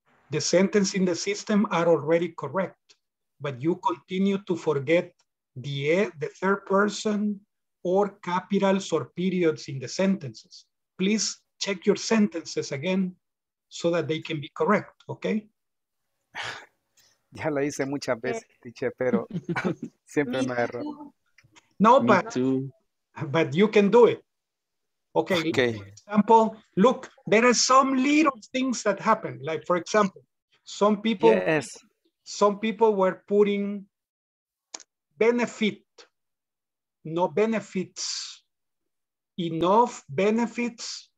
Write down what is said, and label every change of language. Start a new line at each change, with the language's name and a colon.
English: The sentences in the system are already correct, but you continue to forget the third person or capitals or periods in the sentences. Please check your sentences again so that they can be correct, okay?
Spanish: Ya la hice muchas veces, teacher, pero siempre me erro.
English: No, but you can do it. Okay. Okay. For example, look, there are some little things that happen. Like, for example, some people, yes. Some people were putting benefit, no benefits, enough benefits.